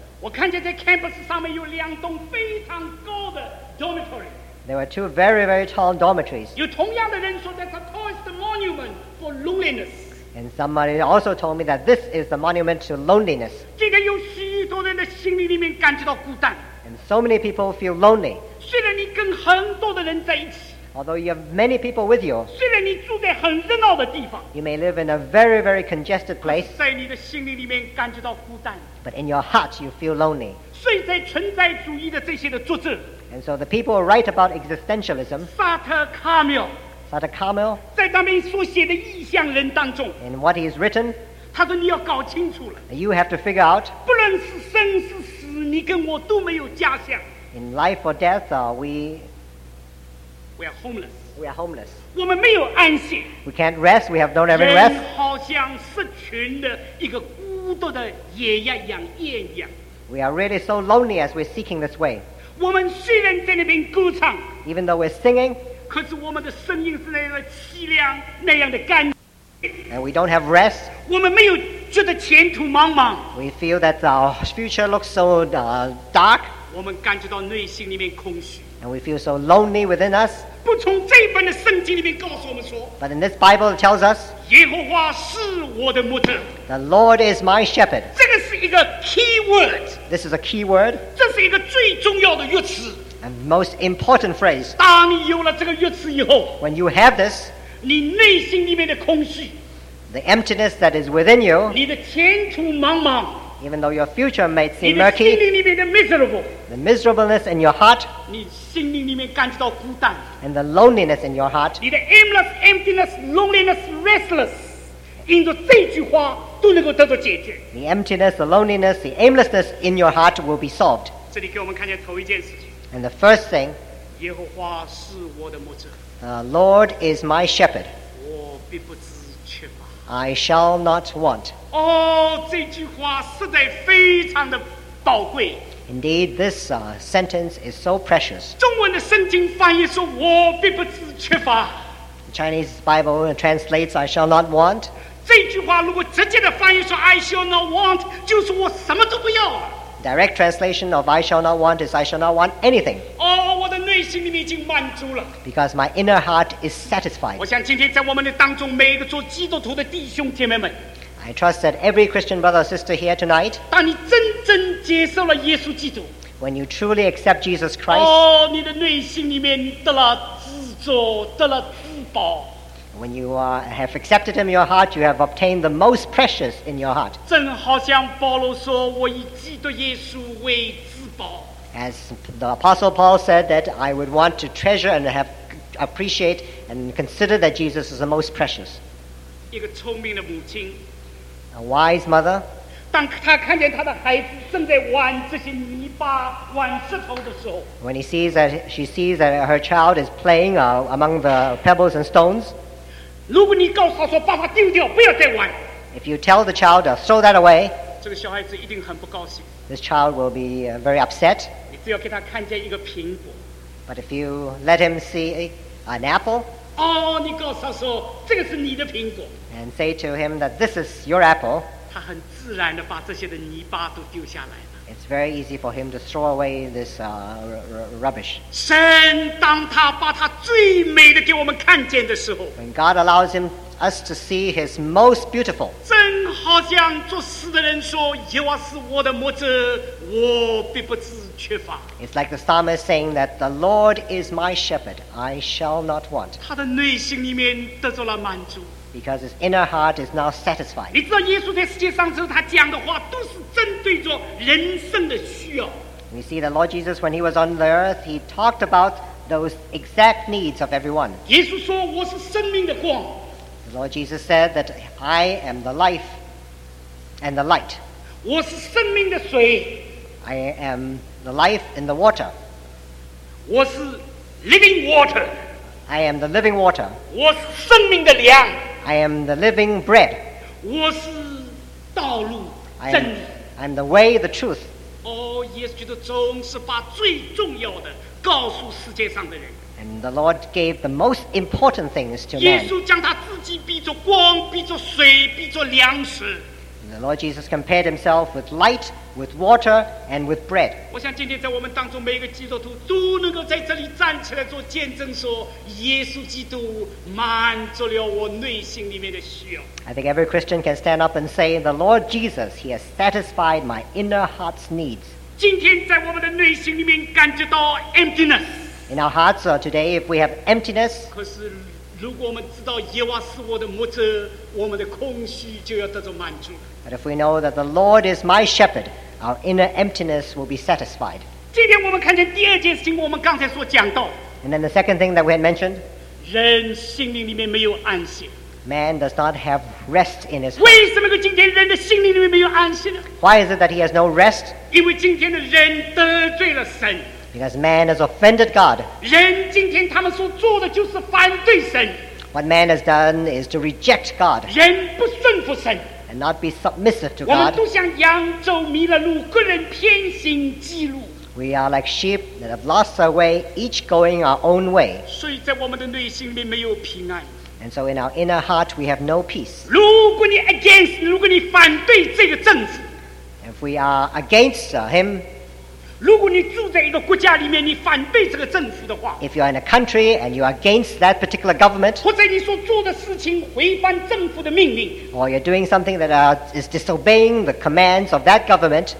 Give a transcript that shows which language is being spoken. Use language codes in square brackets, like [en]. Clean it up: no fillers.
[zh] 我看见在 campus 上面有两栋非常高的 dormitory. [en] There were two very, very tall dormitories. [zh] 有同样的人说, [en] that's the tallest monument for loneliness. And somebody also told me that this is the monument to loneliness. [zh] 今天有许多人的心里面感觉到孤单。 [en] And so many people feel lonely. [zh] 虽然你跟很多的人在一起。 [en] Although you have many people with you. [zh] 虽然你住在很热闹的地方。 [en] You may live in a very, very congested place. [zh] 在你的心里面感觉到孤单。 [en] But in your heart, you feel lonely. [zh] 所以在存在主义的这些的作者。 [en] And so the people who write about existentialism. [zh] Sartre Camus. [en] Sartre Camus, [zh] 在那边所写的异乡人当中 [en] in what he has written, [zh] 他说你要搞清楚了 [en] you have to figure out, [zh] 不论是生是死你跟我都没有家乡 [en] in life or death, we are homeless [zh] 我们没有安息。 [en] We can't rest. We have no ever rest. 人 [zh] 好像失群的一个孤独的野鸭一样，雁一样。 [en] We are really so lonely as we're seeking this way. [zh] 我们虽然在那边歌唱 [en] ，even though we're singing， [zh] 可是我们的声音是那样的凄凉，那样的干。 [en] And we don't have rest. [zh] 我们没有觉得前途茫茫。 [en] We feel that our future looks so dark. [zh] 我们感觉到内心里面空虚。 [en] And we feel so lonely within us. [zh] 不从这本的圣经里面告诉我们说。 [en] But in this Bible, it tells us. [zh] 耶和华是我的牧者。 [en] The Lord is my shepherd. [zh] 这个是一个 [en] key word. This is a key word. [zh] 这是一个最重要的约词。 [en] A most important phrase. [zh] 当你有了这个约词以后。 [en] When you have this. [zh] 你内心里面的空虚 [en] the emptiness that is within you [zh] 你的前途茫茫 [en] even though your future may seem murky [zh] 你的心里面的 miserable [en] the miserableness in your heart [zh] 你心里面感觉到孤单 [en] and the loneliness in your heart [zh] 你的 [en] aimless, emptiness, loneliness, restless [zh] 因着这句话都能够得到解决 [en] the emptiness, the loneliness, the aimlessness in your heart will be solved [zh] 这里给我们看见头一件事情 [en] and the first thing [zh] 耶和华是我的牧者 [en] The Lord is my shepherd. [zh] 我必不知缺乏。 [en] I shall not want. [zh] 哦，这句话实在非常的宝贵。 [en] Indeed, this sentence is so precious. [zh] 中文的圣经翻译说我必不知缺乏。 [en] The Chinese Bible translates, I shall not want. [zh] 这句话如果直接的翻译说 [en] I shall not want, [zh] 就是我什么都不要了。 [en] Direct translation of I shall not want is I shall not want anything. [zh] Oh, 我的内心里面已经满足了。 [en] Because my inner heart is satisfied. [zh] 我想今天在我们的当中每一个做基督徒的弟兄姐妹们。 [en] I trust that every Christian brother or sister here tonight. [zh] 当你真正接受了耶稣基督。 [en] When you truly accept Jesus Christ. [zh] 哦，你的内心里面得了自足，得了自保。 [en] When you have accepted him in your heart, you have obtained the most precious in your heart. [zh] 正好像保罗说，我以基督耶稣为至宝。 [en] As the Apostle Paul said that I would want to treasure and have appreciate and consider that Jesus is the most precious. [zh] 一个聪明的母亲。 [en] A wise mother. [zh] 当她看见她的孩子正在玩这些泥巴、玩石头的时候。 [en] When he sees that she sees that her child is playing among the pebbles and stones. [zh] 如果你告诉他说把它丢掉，不要再玩。 [en] If you tell the child to throw that away, [zh] 这个小孩子一定很不高兴。 [en] This child will be very upset. [zh] 你只要给他看见一个苹果。 [en] But if you let him see an apple, [zh] 哦，你告诉他说这个是你的苹果。 [en] And say to him that this is your apple. [zh] 他很自然地把这些的泥巴都丢下来。 [en] It's very easy for him to throw away this rubbish. [zh] 神当他把他最美的给我们看见的时候 [en] When God allows him, us to see his most beautiful. [zh] 正好像作诗的人说耶和华是我的牧者我必不致缺乏 [en] It's like the psalmist saying that the Lord is my shepherd, I shall not want. [zh] 他的内心里面得到了满足 [en] Because his inner heart is now satisfied. [zh] 你知道耶稣在世界上时候他讲的话都是针对着人生的需要。 [en] We see the Lord Jesus when he was on the earth, he talked about those exact needs of everyone. [zh] 耶稣说我是生命的光。 [en] The Lord Jesus said that I am the life and the light. [zh] 我是生命的水。 [en] I am the life and the water. [zh] 我是 [en] living water. I am the living water. [zh] 我是生命的粮。 [en] I am the living bread. [zh] 我是道路真理。 [en] I'm the way, the truth. [zh] Oh, 耶稣基督总是把最重要的告诉世界上的人。 [en] And the Lord gave the most important things to men. [zh] 耶稣将他自己比作光，比作水，比作粮食。 [en] And the Lord Jesus compared himself with light, with water, and with bread. [zh] 我想今天在我们当中每个基督徒都能够在这里站起来做见证说，耶稣基督满足了我内心里面的需要。 [en] I think every Christian can stand up and say, the Lord Jesus, he has satisfied my inner heart's needs. [zh] 今天在我们的内心里面感觉到 emptiness. [en] In our hearts today, if we have emptiness, [zh] 可是如果我们知道耶和华是我的牧者，我们的空虚就要得到满足。 [en] But if we know that the Lord is my shepherd, our inner emptiness will be satisfied. [zh] 今天我们看见第二件事情，我们刚才所讲到。 [en] And then the second thing that we had mentioned. [zh] 人心灵里面没有安息。 [en] Man does not have rest in his heart. [zh] 为什么今天人的心灵里面没有安息呢？ [en] Why is it that he has no rest? [zh] 因为今天的人得罪了神。 [en] Because man has offended God. [zh] 人今天他们所做的就是反对神。 [en] What man has done is to reject God. [zh] 人不顺服神。 [en] And not be submissive to God. [zh] 我们都像羊走迷了路，个人偏行己路。 [en] We are like sheep that have lost our way, each going our own way. [zh] 所以在我们的内心里没有平安。 [en] And so in our inner heart, we have no peace. [zh] 如果你 against, 如果你反对这个政府。 [en] If we are against him, [zh] 如果你住在一个国家里面，你反对这个政府的话。 [en] If you are in a country and you are against that particular government, [zh] 或者你所做的事情违反政府的命令。 [en] Or you're doing something that is disobeying the commands of that government,